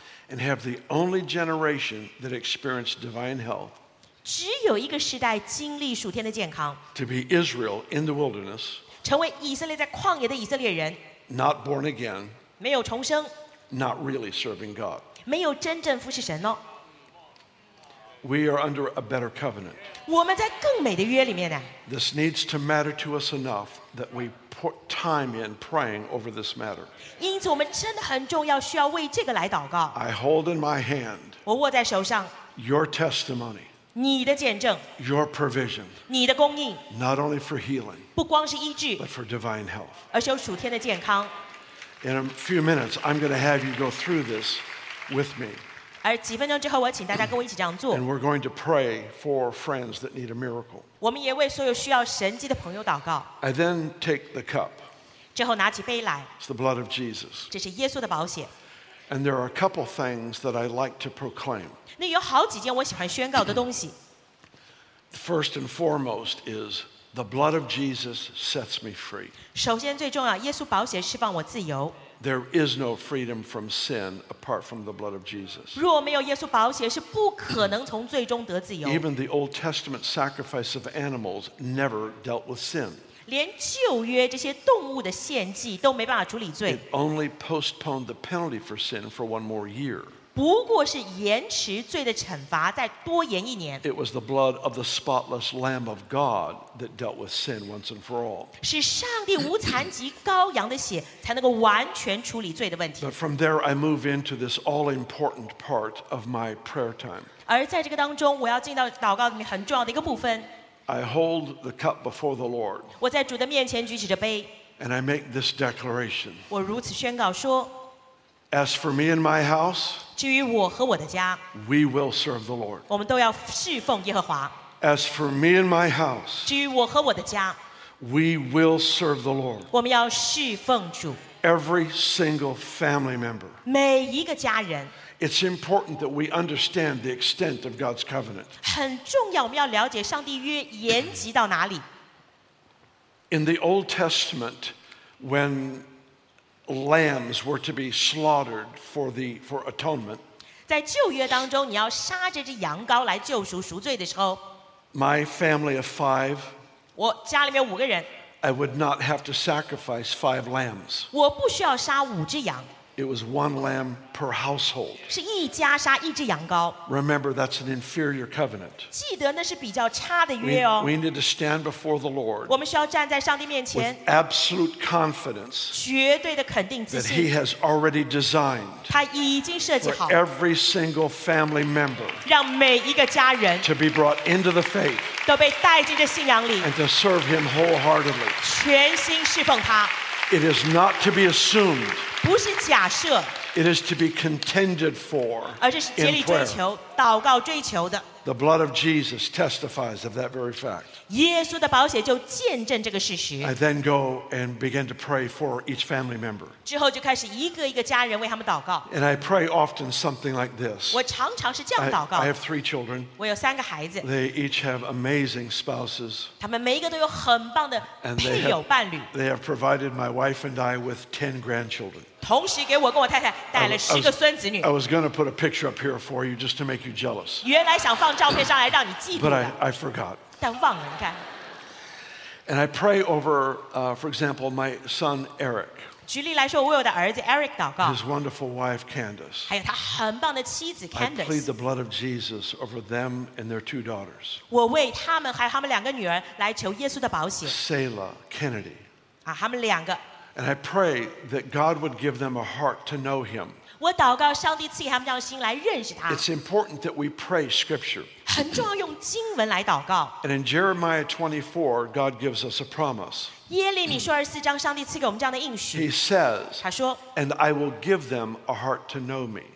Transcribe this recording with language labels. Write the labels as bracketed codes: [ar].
[en] and have the only generation that experienced divine health. [zh] 只有一个世代经历属天的健康。 [en] To be Israel in the wilderness， [zh] 成为以色列在旷野的以色列人。 [en] Not born again， [zh] 没有重生。 [en] Not really serving God， [zh] 没有真正服侍神哦。 [en] We are under a better covenant， [zh] 我们在更美的约里面呢。 [en] This needs to matter to us enough that we put time in praying over this matter， [zh] 因此我们真的很重要，需要为这个来祷告。 [en] I hold in my hand， [zh] 我握在手上。 [en] Your testimony， [zh] 你的见证， [en] Your provision， [zh] 你的供应， [en] not only for healing， [zh] 不光是医治， [en] but for divine health， [zh] 而是有属天的健康。 [en] In a few minutes I'm going to have you go through this with me， [zh] 而几分钟之后我请大家跟我一起这样做。 [en] And we're going to pray for friends that need a miracle， [zh] 我们也为所有需要神迹的朋友祷告。 [en] I then take the cup， [zh] 之后拿起杯来。 [en] It's the blood of Jesus， [zh] 这是耶稣的宝血。 [en] And there are a couple things that I like to proclaim. [zh] 那有好几件我喜欢宣告的东西。 [en] First and foremost is the blood of Jesus sets me free. [zh] 首先最重要，耶稣宝血释放我自由。 [en] There is no freedom from sin apart from the blood of Jesus. [zh] 若没有耶稣宝血，是不可能从罪中得自由。 [en] Even the Old Testament sacrifice of animals never dealt with sin. [zh] 连旧约这些动物的献祭都没办法处理罪。 [en] It only postponed the penalty for sin for one more year. [zh] 不过是延迟罪的惩罚再多延一年。 [en] It was the blood of the spotless Lamb of God that dealt with sin once and for all. [zh] 是上帝无残疾羔羊的血才能够完全处理罪的问题。 [en] But from there I move into this all-important part of my prayer time. [zh] 而在这个当中，我要进到祷告里面很重要的一个部分。 [en] I hold the cup before the Lord. [zh] 我在主的面前举起着杯。 [en] And I make this declaration. [zh] 我如此宣告说。 [en] As for me and my house, [zh] 至于我和我的家， [en] we will serve the Lord. [zh] 我们都要侍奉耶和华。 [en] As for me and my house, [zh] 至于我和我的家， [en] we will serve the Lord. [zh] 我们要侍奉主。 [en] Every single family member. [zh] 每一个家人。 [en] It's important that we understand the extent of God's covenant. [zh] 很重要，我们要了解上帝约延及到哪里。 [en] In the Old Testament, when lambs were to be slaughtered for atonement, [zh] 在旧约当中，你要杀这只羊羔来救赎赎罪的时候， [en] my family of five, [zh] 我家里面五个人， [en] I would not have to sacrifice five lambs. [zh] 我不需要杀五只羊。 [en] It was one lamb per household. [zh] 是一家杀一只羊羔。 [en] Remember, that's an inferior covenant. [zh] 记得那是比较差的约哦。 [en] We need to stand before the Lord. [zh] 我们需要站在上帝面前。 [en] With absolute confidence. [zh] 绝对的肯定自信。 [en] That He has already designed. [zh] 他已经设计好。 [en] For every single family member. [zh] 让每一个家人。 [en] To be brought into the faith. [zh] 都被带进这信仰里。 [en] And to serve Him wholeheartedly. [zh] 全心侍奉他。 [en] It is not to be assumed. [zh] 不是假设。 [en] It is to be contended for. [zh] 而这是竭力追求、祷告追求的。 [en] The blood of Jesus testifies of that very fact. [zh] 耶稣的宝血就见证这个事实。 [en] I then go and begin to pray for each family member. [zh] 之后就开始一个一个家人为他们祷告。 [en] And I pray often something like this. [zh] 我常常是这样祷告。 [en] I have three children. [zh] 我有三个孩子。 [en] They each have amazing spouses. [zh] 他们每一个都有很棒的配偶伴侣。 [en] They have provided my wife and I with 10 grandchildren. [zh] 同时给我跟我太太带了十个孙子女。 [en] I was going to put a picture up here for you just to make you jealous. [zh] 原来想放照片上来让你嫉妒的。 [en] But I forgot. [zh] 但忘了，你看。 [en] And I pray over, for example, my son Eric. [zh] 举例来说，我为我的儿子 Eric 祷告。 [en] His wonderful wife Candace. [zh] 还有他很棒的妻子 Candace. [en] I plead the blood of Jesus over them and their two daughters. [zh] 我为他们还有他们两个女儿来求耶稣的宝血。 [en] Selah, Kennedy. [zh] 啊，他们两个。 [en] And I pray that God would give them a heart to know Him. [zh] 我祷告上帝赐给他们这样的心来认识他。 [en] It's important that we pray Scripture. [zh] 很重要，用经文来祷告。 [en] And in Jeremiah 24, God gives us a promise. [zh] 耶利米书24章，上帝赐给我们这样的应许。 [en] He says, [zh] 他说 [en] ，And I will give them a heart to know Me.